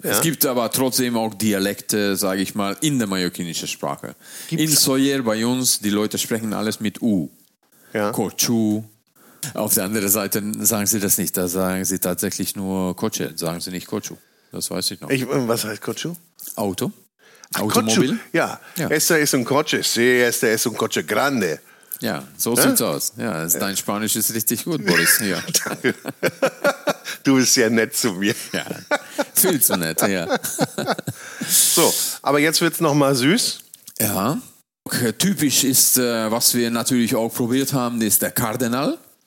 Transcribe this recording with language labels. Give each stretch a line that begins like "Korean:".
German: Ja? Es gibt aber trotzdem auch Dialekte, sage ich mal, in der mallorquinischen Sprache. Gibt's? In Soyer bei uns, die Leute sprechen alles mit U. Ja? Kochu, Auf der anderen Seite sagen sie das nicht, da sagen sie tatsächlich nur Kutsche, sagen sie nicht Kutschu. Das weiß ich noch. Was heißt Kutschu? Auto. Ach, Automobil? Ja.
Spanish: Esta es un coche, sí, esta es un coche grande.
German: Ja, so sieht's aus. Ja, dein Spanisch ist richtig gut, Boris. Ja. Du bist ja nett zu mir. Ja, viel zu nett, ja. So, aber jetzt wird's nochmal süß. Ja. Okay, typisch ist, was wir natürlich auch probiert haben, ist der Cardenal.